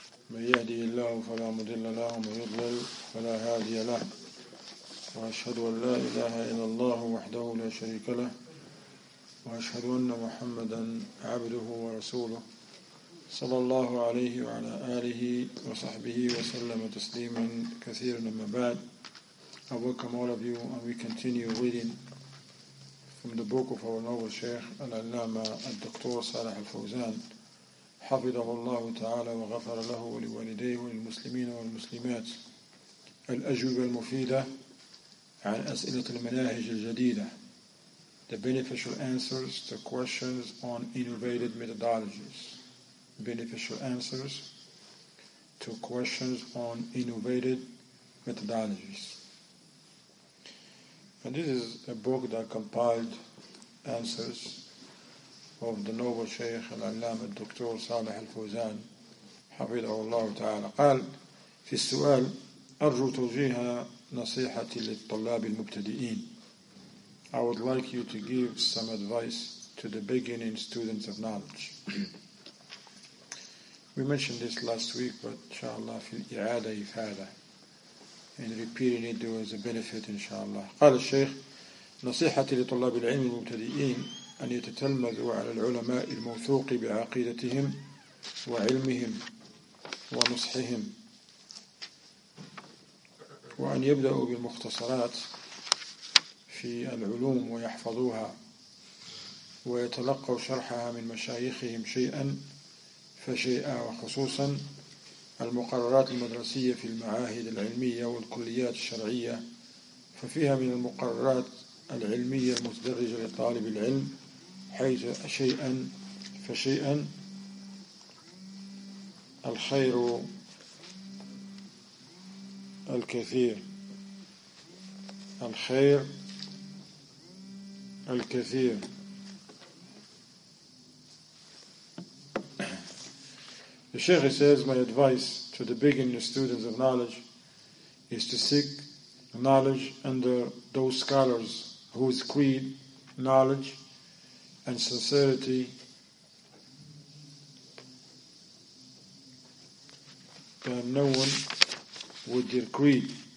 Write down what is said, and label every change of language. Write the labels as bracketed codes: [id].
[ar] من يهدي الله فلا مضل له ومن يضلل فلا هادي له. وأشهد أن لا إله إلا الله وحده لا شريك له وأشهد أن محمدا عبده ورسوله صلى الله عليه وعلى آله وصحبه وسلم تسليما كثيرا. أما بعد, [en] I welcome all of you and we continue reading from the book of our noble Sheikh Al-Allama Al-Doctor Salah Al-Fawzan [ar] حفظه الله تعالى وغفر له ولوالديه وللمسلمين والمسلمات الأجوبة المفيدة عن أسئلة المناهج الجديدة. [en] The beneficial answers to questions on innovated methodologies. Beneficial answers to questions on innovated methodologies. And this is a book that compiled answers of the noble Shaykh Al-Allama Dr. [ar] Salih Al-Fawzan حفظه الله تعالى. قال في السؤال: أرجو توجيه نصيحتي للطلاب المبتدئين. [en] I would like you to give some advice to the beginning students of knowledge. We mentioned this last week, but inshallah [ar] في الإعادة إفادة. [en] And repeating it, there was a benefit, inshallah. [ar] قال الشيخ نصيحتي لطلاب العلم المبتدئين أن يتتلمذوا على العلماء الموثوق بعقيدتهم وعلمهم ونصحهم وأن يبدأوا بالمختصرات في العلوم ويحفظوها ويتلقوا شرحها من مشايخهم شيئا فشيئا وخصوصا المقررات المدرسية في المعاهد العلمية والكليات الشرعية, ففيها من المقررات العلمية المتدرجة لطالب العلم حيث شيئا فشيئا الخير الكثير الخير الكثير. [en] The Sheikh says, my advice to the beginning students of knowledge is to seek knowledge under those scholars whose creed, knowledge, and sincerity are known with their creed.